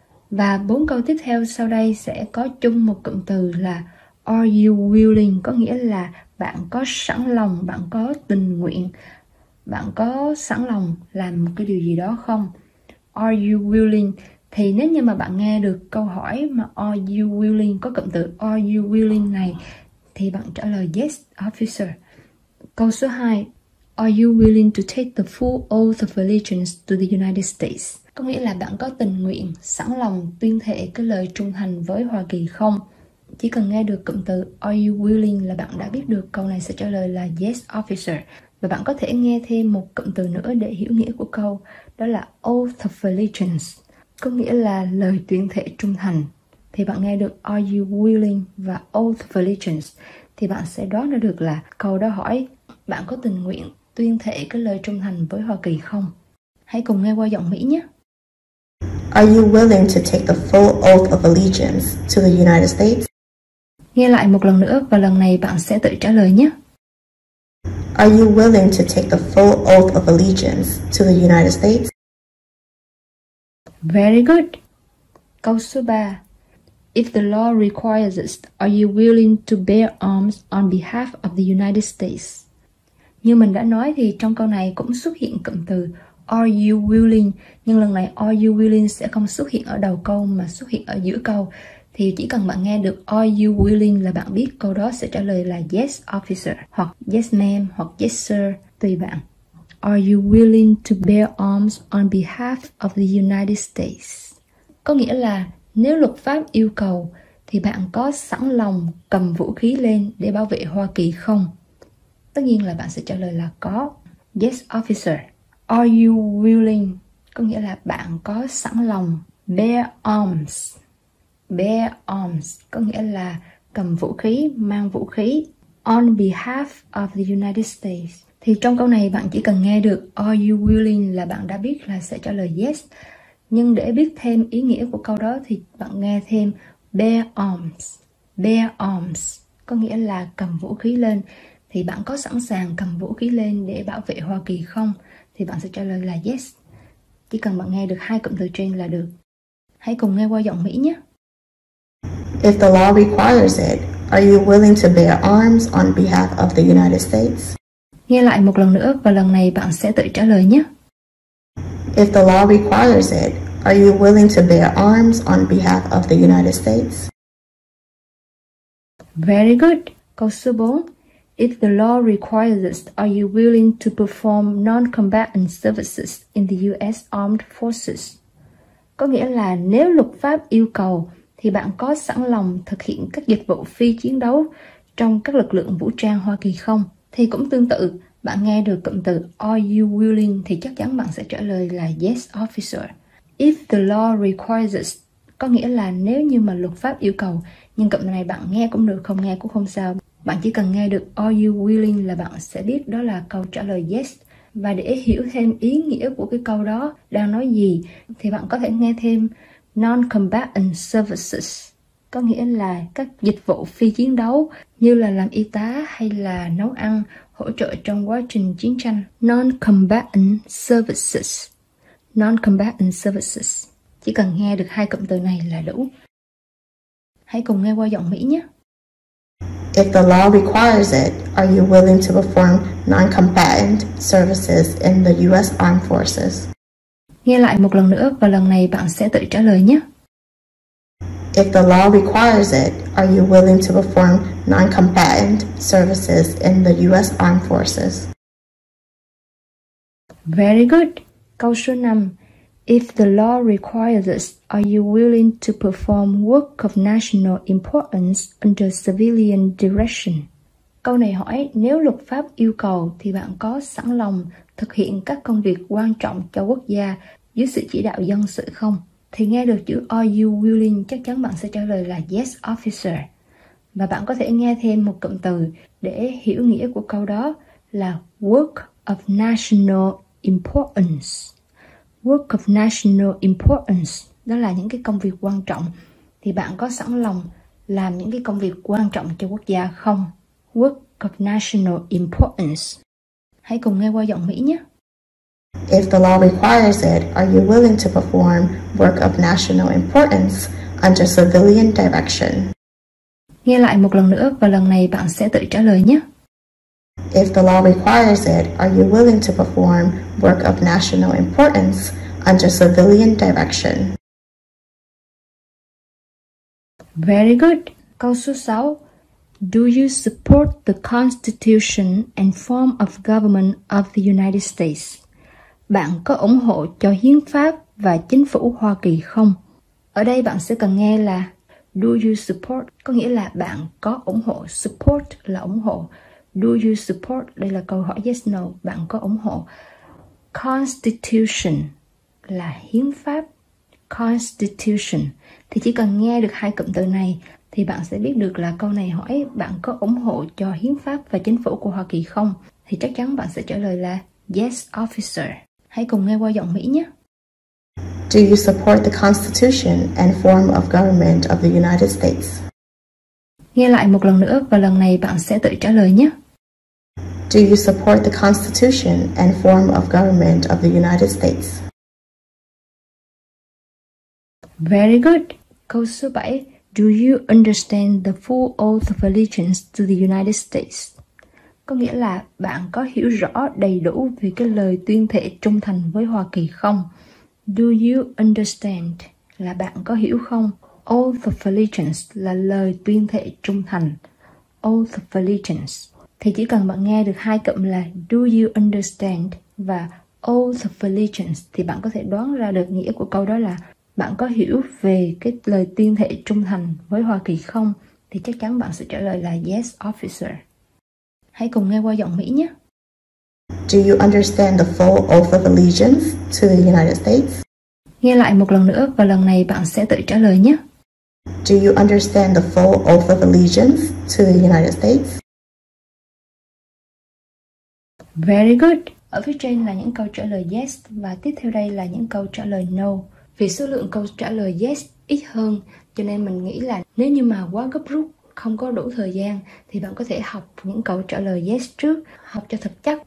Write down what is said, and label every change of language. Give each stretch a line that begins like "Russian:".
Vietnamese: Và bốn câu tiếp theo sau đây sẽ có chung một cụm từ là
English: are you willing,
Vietnamese: có nghĩa là bạn có sẵn lòng, bạn có tình nguyện, bạn có sẵn lòng làm một cái điều gì đó không?
English: Are you willing?
Vietnamese: Thì nếu như mà bạn nghe được câu hỏi mà
English: are you willing,
Vietnamese: có cụm từ are you willing này, thì bạn trả lời
English: yes, officer.
Vietnamese: Câu số 2,
English: are you willing to take the full oath of allegiance to the United States?
Vietnamese: Có nghĩa là bạn có tình nguyện, sẵn lòng tuyên thệ cái lời trung thành với Hoa Kỳ không? Chỉ cần nghe được cụm từ
English: are you willing
Vietnamese: là bạn đã biết được câu này sẽ trả lời là
English: yes, officer.
Vietnamese: Và bạn có thể nghe thêm một cụm từ nữa để hiểu nghĩa của câu, đó là
English: oath of allegiance,
Vietnamese: có nghĩa là lời tuyên thệ trung thành. Thì bạn nghe được
English: are you willing
Vietnamese: và
English: oath of allegiance
Vietnamese: thì bạn sẽ đoán được là câu đó hỏi bạn có tình nguyện tuyên thệ cái lời trung thành với Hoa Kỳ không. Hãy cùng nghe qua giọng Mỹ nhé.
English: Are you willing to take the full oath of allegiance to the United States?
Vietnamese: Nghe lại một lần nữa và lần này bạn sẽ tự trả lời nhé.
English: Are you willing to take the full oath of allegiance to the United States? Very good.
Vietnamese: Câu số 3.
English: If the law requires it, are you willing to bear arms on behalf of the United States?
Vietnamese: Như mình đã nói thì trong câu này cũng xuất hiện cụm từ
English: are you willing,
Vietnamese: nhưng lần này are you willing sẽ không xuất hiện ở đầu câu mà xuất hiện ở giữa câu. Thì chỉ cần bạn nghe được
English: are you willing
Vietnamese: là bạn biết câu đó sẽ trả lời là
English: yes officer,
Vietnamese: hoặc
English: yes ma'am,
Vietnamese: hoặc
English: yes sir,
Vietnamese: tùy bạn.
English: Are you willing to bear arms on behalf of the United States?
Vietnamese: Có nghĩa là nếu luật pháp yêu cầu thì bạn có sẵn lòng cầm vũ khí lên để bảo vệ Hoa Kỳ không? Tất nhiên là bạn sẽ trả lời là có.
English: Yes, officer. Are you willing?
Vietnamese: Có nghĩa là bạn có sẵn lòng
English: bear arms. Bear arms
Vietnamese: có nghĩa là cầm vũ khí, mang vũ khí.
English: On behalf of the United States.
Vietnamese: Thì trong câu này bạn chỉ cần nghe được
English: are you willing
Vietnamese: là bạn đã biết là sẽ trả lời yes. Nhưng để biết thêm ý nghĩa của câu đó thì bạn nghe thêm
English: bear arms. Bear arms
Vietnamese: có nghĩa là cầm vũ khí lên. Thì bạn có sẵn sàng cầm vũ khí lên để bảo vệ Hoa Kỳ không? Thì bạn sẽ trả lời là yes. Chỉ cần bạn nghe được hai cụm từ trên là được. Hãy cùng nghe qua giọng Mỹ nhé.
English: If the law requires it, are you willing to bear arms on behalf of the United States?
Vietnamese: Nghe lại một lần nữa và lần này bạn sẽ tự trả lời nhé.
English: If the law requires it, are you willing to bear arms on behalf of the United States? Very good.
Vietnamese: Câu số 4.
English: If the law requires it, are you willing to perform non-combatant services in the U.S. Armed Forces?
Vietnamese: Có nghĩa là nếu luật pháp yêu cầu, thì bạn có sẵn lòng thực hiện các dịch vụ phi chiến đấu trong các lực lượng vũ trang Hoa Kỳ không? Thì cũng tương tự, bạn nghe được cụm từ
English: are you willing
Vietnamese: thì chắc chắn bạn sẽ trả lời là
English: yes, officer. If the law requires it,
Vietnamese: có nghĩa là nếu như mà luật pháp yêu cầu, nhưng cụm này bạn nghe cũng được, không nghe cũng không sao. Bạn chỉ cần nghe được
English: are you willing
Vietnamese: là bạn sẽ biết đó là câu trả lời yes. Và để hiểu thêm ý nghĩa của cái câu đó đang nói gì thì bạn có thể nghe thêm
English: non-combatant services,
Vietnamese: có nghĩa là các dịch vụ phi chiến đấu như là làm y tá hay là nấu ăn, hỗ trợ trong quá trình chiến tranh.
English: Non-combatant services. Non-combatant services.
Vietnamese: Chỉ cần nghe được hai cụm từ này là đủ. Hãy cùng nghe qua giọng Mỹ nhé.
English: If the law requires it, are you willing to perform non-combatant services in the U.S. Armed Forces?
Vietnamese: Nghe lại một lần nữa và lần này bạn sẽ tự trả lời nhé.
English: If the law requires it, are you willing to perform non-combatant services in the U.S. Armed Forces? Very good.
Vietnamese: Câu số 5.
English: If the law requires it, are you willing to perform work of national importance under civilian direction?
Vietnamese: Câu này hỏi nếu luật pháp yêu cầu thì bạn có sẵn lòng thực hiện các công việc quan trọng cho quốc gia dưới sự chỉ đạo dân sự không? Thì nghe được chữ
English: are you willing
Vietnamese: chắc chắn bạn sẽ trả lời là
English: yes officer.
Vietnamese: Và bạn có thể nghe thêm một cụm từ để hiểu nghĩa của câu đó là
English: work of national importance. Work of national importance,
Vietnamese: đó là những cái công việc quan trọng. Thì bạn có sẵn lòng làm những cái công việc quan trọng cho quốc gia không?
English: Work of national importance.
Vietnamese: Hãy cùng nghe qua giọng Mỹ nhé.
English: If the law requires it, are you willing to perform work of national importance under civilian direction?
Vietnamese: Nghe lại một lần nữa và lần này bạn sẽ tự trả lời nhé.
English: If the law requires it, are you willing to perform work of national importance under civilian direction? Very good.
Vietnamese: Câu số 6.
English: Do you support the Constitution and form of government of the United States?
Vietnamese: Bạn có ủng hộ cho hiến pháp và chính phủ Hoa Kỳ không? Ở đây bạn sẽ cần nghe là
English: do you support,
Vietnamese: có nghĩa là bạn có ủng hộ, support là ủng hộ.
English: Do you support,
Vietnamese: đây là câu hỏi yes, no, bạn có ủng hộ. Constitution là hiến pháp, Constitution. Thì chỉ cần nghe được hai cụm từ này thì bạn sẽ biết được là câu này hỏi bạn có ủng hộ cho hiến pháp và chính phủ của Hoa Kỳ không? Thì chắc chắn bạn sẽ trả lời là
English: yes, officer.
Vietnamese: Hãy cùng nghe qua giọng Mỹ nhé.
English: Do you support the Constitution and form of government of the United States?
Vietnamese: Nghe lại một lần nữa và lần này bạn sẽ tự trả lời nhé.
English: Do you support the Constitution and form of government of the United States? Very good.
Vietnamese: Câu số 7.
English: Do you understand the full oath of allegiance to the United States?
Vietnamese: Có nghĩa là bạn có hiểu rõ đầy đủ về cái lời tuyên thệ trung thành với Hoa Kỳ không?
English: Do you understand
Vietnamese: là bạn có hiểu không?
English: Oath of allegiance
Vietnamese: là lời tuyên thệ trung thành.
English: Oath of allegiance.
Vietnamese: Thì chỉ cần bạn nghe được hai cụm là
English: do you understand
Vietnamese: và
English: oath of allegiance
Vietnamese: thì bạn có thể đoán ra được nghĩa của câu đó là bạn có hiểu về cái lời tuyên thệ trung thành với Hoa Kỳ không? Thì chắc chắn bạn sẽ trả lời là
English: yes, officer.
Vietnamese: Hãy cùng nghe qua giọng Mỹ nhé.
English: Do you understand the full oath of allegiance to the United States?
Vietnamese: Nghe lại một lần nữa và lần này bạn sẽ tự trả lời nhé.
English: Do you understand the full oath of allegiance to the United States? Very good.
Vietnamese: Ở phía trên là những câu trả lời yes và tiếp theo đây là những câu trả lời no. Vì số lượng câu trả lời yes ít hơn, cho nên mình nghĩ là nếu như mà quá gấp rút, không có đủ thời gian, thì bạn có thể học những câu trả lời yes trước, học cho thật chắc.